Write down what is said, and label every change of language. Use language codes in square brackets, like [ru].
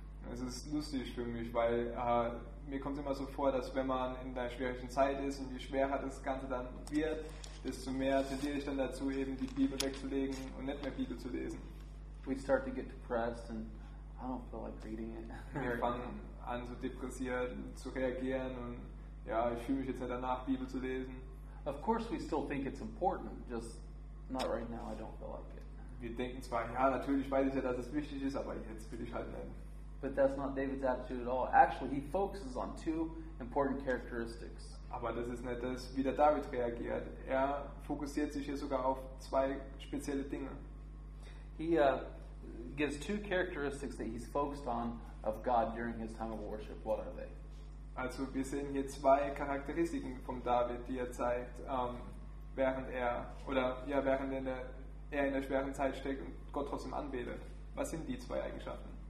[de] Es ist lustig für mich, weil mir kommt immer so vor, dass wenn man in der schwierigen Zeit ist und je schwerer das Ganze dann wird, desto mehr tendiere ich dann dazu, eben die Bibel wegzulegen und nicht mehr Bibel zu lesen. [en] We start to get depressed and I don't feel like reading it. [de] Wir fangen an, so depressiert zu reagieren und ja, ich fühle mich jetzt nicht danach, Bibel zu lesen. [en] Of course we still think it's important, just not right now, I don't feel like it. [de] Wir denken zwar, ja, natürlich weiß ich ja, dass es wichtig ist, aber jetzt will ich halt nicht. [en] But that's not David's attitude at all. Actually, he focuses on two important characteristics. [de] Aber das ist nicht das, wie der David reagiert. Er fokussiert sich hier sogar auf zwei spezielle Dinge. [en] He gives two characteristics that he's focused on of God during his time of worship. What are they? [de] Also wir sehen hier zwei Charakteristiken von David, die er zeigt, während er in der schweren Zeit steckt und Gott trotzdem anbetet. Was sind die zwei Eigenschaften?